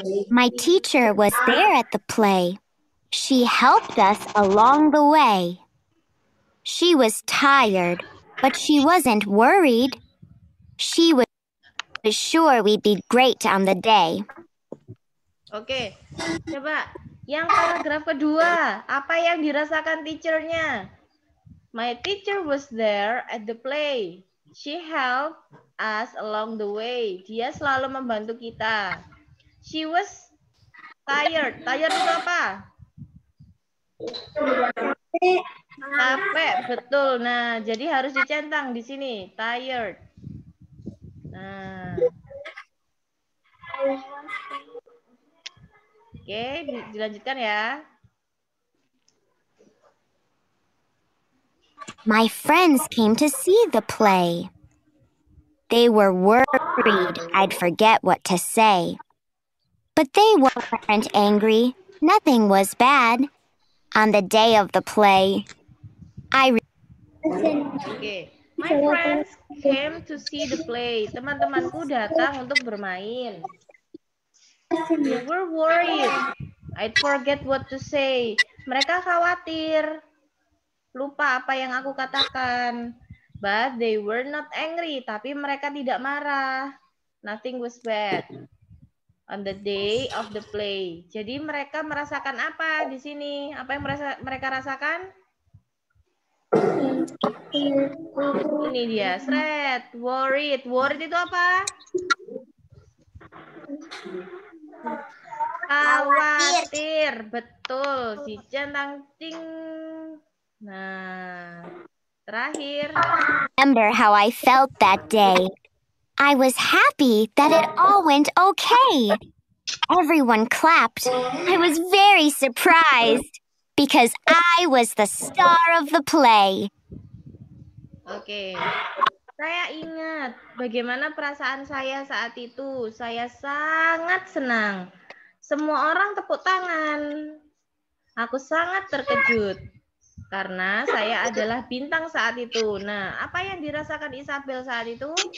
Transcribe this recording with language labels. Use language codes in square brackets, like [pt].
[en] My teacher was there at the play. She helped us along the way. She was tired, but she wasn't worried. She was sure we'd be great on the day. [id] Oke, coba yang paragraf kedua, apa yang dirasakan teachernya? [en] My teacher was there at the play. She helped us along the way. [id] Dia selalu membantu kita. [en] She was tired. [id] Tired itu apa? Capek, betul. Nah, jadi harus dicentang di sini. Tired. Nah. Oke, dilanjutkan ya. [en] My friends came to see the play. They were worried I'd forget what to say. But they weren't angry. Nothing was bad. On the day of the play, I... Okay. My friends came to see the play. [id] Teman-temanku datang untuk bermain. [en] They were worried I'd forget what to say. [id] Mereka khawatir. Lupa apa yang aku katakan. [en] But they were not angry. [id] Tapi mereka tidak marah. [en] Nothing was bad. On the day of the play. [id] Jadi mereka merasakan apa di sini? Apa yang mereka rasakan? Ini dia. Sad. Worried. Worried itu apa? Khawatir. Betul. Si centang ting. Nah, terakhir. [en] Remember how I felt that day. I was happy that it all went okay. Everyone clapped. I was very surprised because I was the star of the play. [id] Oke. Saya ingat bagaimana perasaan saya saat itu. Saya sangat senang. Semua orang tepuk tangan. Aku sangat terkejut. Karena saya adalah bintang saat itu. Nah, apa yang dirasakan Isabel saat itu?